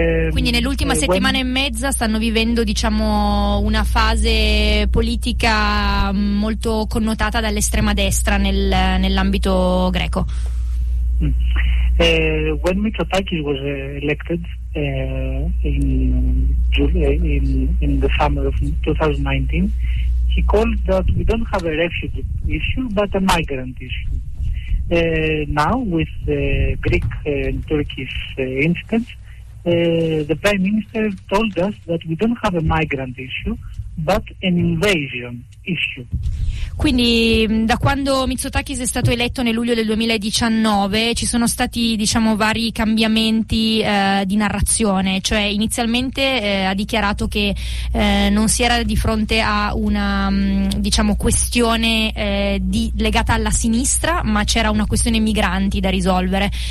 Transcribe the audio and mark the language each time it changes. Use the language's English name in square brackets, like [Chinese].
[Italian] Quindi nell'ultima settimana e mezza stanno vivendo, diciamo, una fase politica molto connotata dall'estrema destra nell'ambito greco. [English] When Mitsotakis was elected in the summer of 2019, he called that we don't have a refugee issue, but a migrant issue. Now, with the Greek and Turkish incidents, the Prime Minister told us that we don't have a migrant issue, but an invasion issue. [Italian] Quindi, da quando Mitsotakis è stato eletto nel luglio del 2019, ci sono stati, diciamo, vari cambiamenti di narrazione. Cioè, inizialmente ha dichiarato che non si era di fronte a una, diciamo, questione legata alla sinistra, ma c'era una questione migranti da risolvere.